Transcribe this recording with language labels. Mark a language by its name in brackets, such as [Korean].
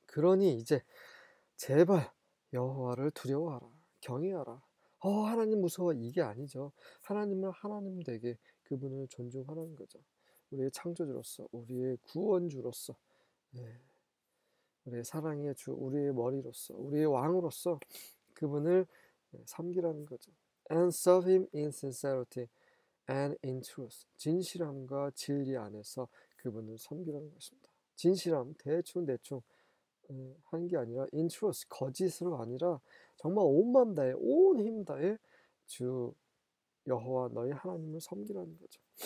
[Korean] 그러니 이제 제발 여호와를 두려워하라. 경외하라. 하나님 무서워. 이게 아니죠. 하나님을 하나님 되게 그분을 존중하라는 거죠. 우리의 창조주로서, 우리의 구원주로서, 우리의 사랑의 주, 우리의 머리로서, 우리의 왕으로서 그분을 섬기라는 거죠. [English] And serve him in sincerity and in truth. [Korean] 진실함과 진리 안에서 그분을 섬기라는 것입니다. 진실함, 대충대충 하는 게 아니라 [English] in truth, [Korean] 거짓으로 아니라 정말 온 마음 다해, 온힘 다해 주 여호와 너희 하나님을 섬기라는 거죠.